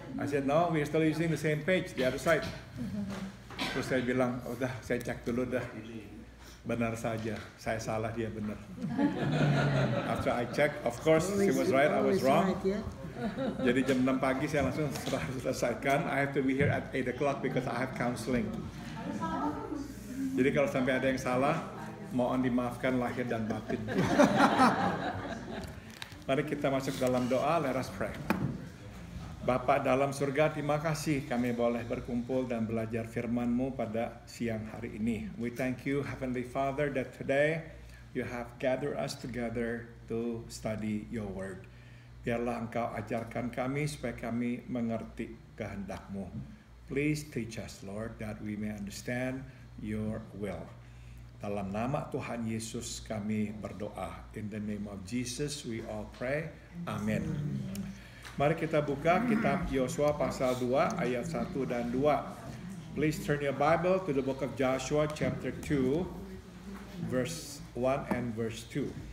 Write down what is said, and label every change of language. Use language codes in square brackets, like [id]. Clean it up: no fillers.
[en] I said, no, we're still using the same page, the other side. [id] Terus saya bilang, udah, saya cek dulu dah. Benar saja, saya salah, dia benar. [en] After I check, of course, she was right, I was wrong. [id] Jadi jam 6 pagi saya langsung selesaikan. [en] I have to be here at 8 o'clock because I have counseling. [id] Jadi kalau sampai ada yang salah, mohon dimaafkan lahir dan batin. Mari kita masuk dalam doa, [en] let us pray. [id] Bapa dalam surga, terima kasih kami boleh berkumpul dan belajar firman-Mu pada siang hari ini. [en] We thank you, Heavenly Father, that today you have gathered us together to study your word. [id] Biarlah Engkau ajarkan kami supaya kami mengerti kehendak-Mu. [en] Please teach us, Lord, that we may understand your will. [id] Dalam nama Tuhan Yesus kami berdoa. [en] In the name of Jesus we all pray. Amen. [id] Mari kita buka kitab Yosua pasal 2 ayat 1 dan 2. [en] Please turn your Bible to the book of Joshua chapter 2, verse 1 and verse 2.